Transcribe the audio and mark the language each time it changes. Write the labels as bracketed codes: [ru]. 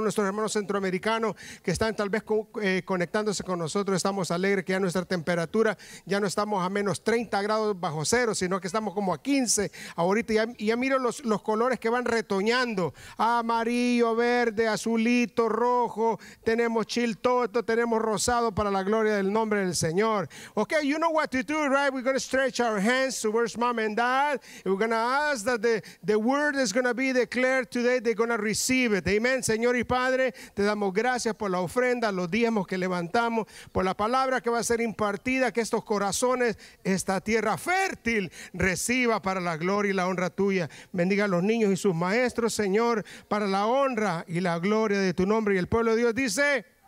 [es] Nuestros hermanos centroamericanos que están tal vez conectándose con nosotros, estamos alegres que ya nuestra temperatura ya no estamos a menos 30 grados bajo cero, sino que estamos como a 15 ahorita. Ya miro los colores que van retoñando: amarillo, verde, azulito, rojo. Tenemos chiltoto, tenemos rosado para la gloria del nombre del Señor. [en] Okay, you know what to do, right? We're going to stretch our hands towards mom and dad. We're going to ask that the word is going to be declared today. They're going to receive it. Amen. [es] Señor y Padre, te damos gracias por la ofrenda, los diezmos que levantamos, por la palabra que va a ser impartida, que estos corazones, esta tierra fértil, reciba para la gloria y la honra tuya. Bendiga a los niños y sus maestros, Señor, para la honra y la gloria de tu nombre. Y el pueblo de Dios dice...